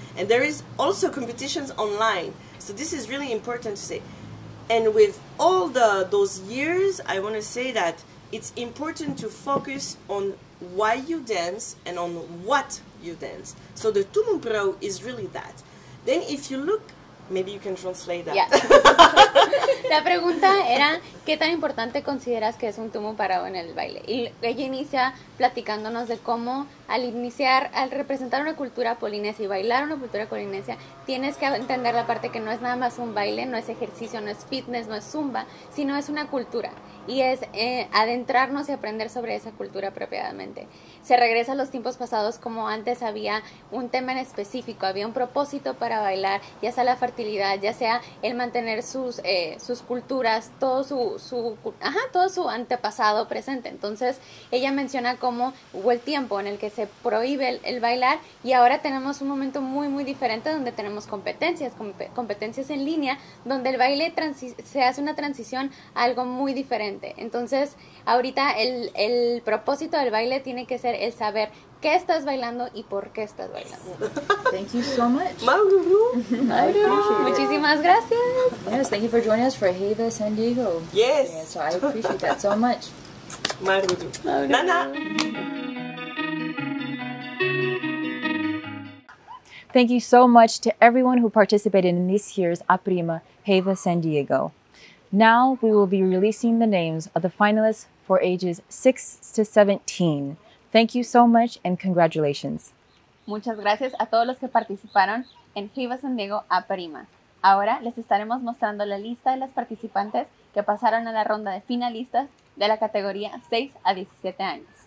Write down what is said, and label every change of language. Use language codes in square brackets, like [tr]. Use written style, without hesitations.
[en] And there is also competitions online. So this is really important to say. And with all those years, I want to say that it's important to focus on why you dance and on what you dance. So the tumupro is really that. Then if you look, maybe you can translate that. Yeah. [es] La pregunta era, ¿qué tan importante consideras que es un tumo parado en el baile? Y ella inicia platicándonos de cómo al iniciar, al representar una cultura polinesia y bailar una cultura polinesia, tienes que entender la parte que no es nada más un baile, no es ejercicio, no es fitness, no es zumba, sino es una cultura. Y es adentrarnos y aprender sobre esa cultura apropiadamente. Se regresa a los tiempos pasados como antes había un tema en específico, había un propósito para bailar, ya sea la fertilidad, ya sea el mantener sus culturas, todo su antepasado presente. Entonces, ella menciona cómo hubo el tiempo en el que se prohíbe el bailar y ahora tenemos un momento muy, muy diferente donde tenemos competencias en línea, donde el baile se hace una transición a algo muy diferente. Entonces, ahorita el propósito del baile tiene que ser el saber qué estás bailando y por qué estás bailando. [en] Thank you so much. [es] Muchísimas gracias. [en] Yes, thank you for joining us for Heiva San Diego. Yes. Yeah, so I appreciate that so much. [ty] Nana. [en] Thank you so much to everyone who participated in this year's Aparima Heiva San Diego. Now we will be releasing the names of the finalists for ages 6 to 17. Thank you so much and congratulations. [es] Muchas gracias a todos los que participaron en Heiva San Diego Aparima. Ahora les estaremos mostrando la lista de las participantes que pasaron a la ronda de finalistas de la categoría 6 a 17 años.